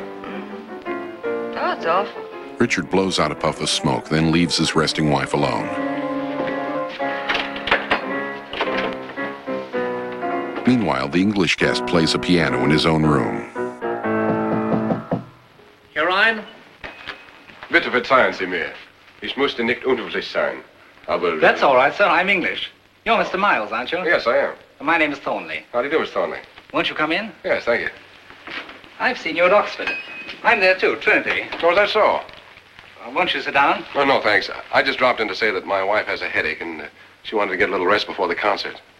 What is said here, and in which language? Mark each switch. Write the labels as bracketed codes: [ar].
[en] Mm-hmm. Oh, it's awful. Richard blows out a puff of smoke, then leaves his resting wife alone. Meanwhile, the English guest plays a piano in his own room. [de] Herr Ryan? Bitte verzeihen Sie mir. Ich musste nicht unhöflich sein. Aber... [en] That's all right, sir. I'm English. You're Mr. Miles, aren't you? Yes, I am. My name is Thornley. How do you do, Miss Thornley? Won't you come in? Yes, thank you. I've seen you at Oxford. I'm there too, Trinity. Oh, is that so? Won't you sit down? Oh, no, thanks. I just dropped in to say that my wife has a headache and she wanted to get a little rest before the concert.